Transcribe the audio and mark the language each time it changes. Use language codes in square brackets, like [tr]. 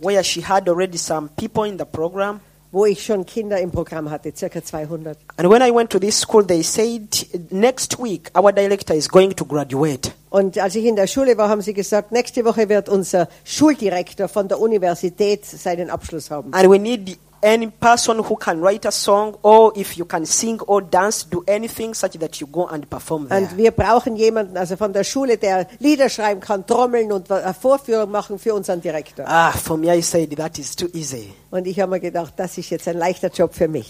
[en] Where she had already some people in the program. [de] Wo ich schon Kinder im Programm hatte, ca. 200. [en] And when I went to this school, they said, next week our director is going to graduate. [de] Und als ich in der Schule war, haben sie gesagt, nächste Woche wird unser Schuldirektor von der Universität seinen Abschluss haben. [en] And we need any person who can write a song or if you can sing or dance, do anything such that you go and perform there. [de] Und wir brauchen jemanden, also von der Schule, der Lieder schreiben kann, trommeln und eine Vorführung machen für unseren Direktor. [en] Ah, for me I said that is too easy. [de] Und ich habe mir gedacht, das ist jetzt ein leichter Job für mich.